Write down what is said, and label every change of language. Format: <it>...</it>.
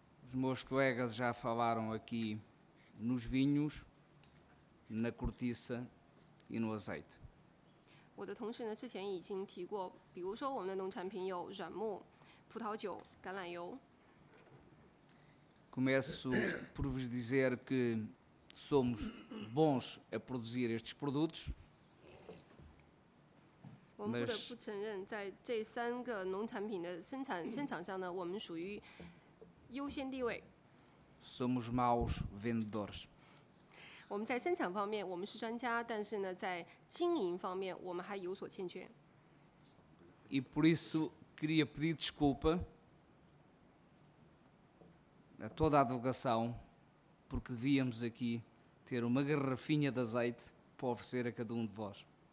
<pt>Os meus colegas já falaram aqui nos vinhos, na cortiça e no azeite.</pt> <zh>我的同事呢之前已经提过，比如说我们的农产品有软木、葡萄酒、橄榄油。</zh> <pt>Começo por vos dizer que somos bons a produzir estes produtos. Somos maus vendedores.</pt> <zh>我们在生产方面我们是专家，但是呢，在经营方面我们还有所欠缺。</zh> <pt>E por isso queria pedir desculpa a toda a delegação, porque devíamos aqui ter uma garrafinha de azeite para oferecer a cada um de vós.</pt>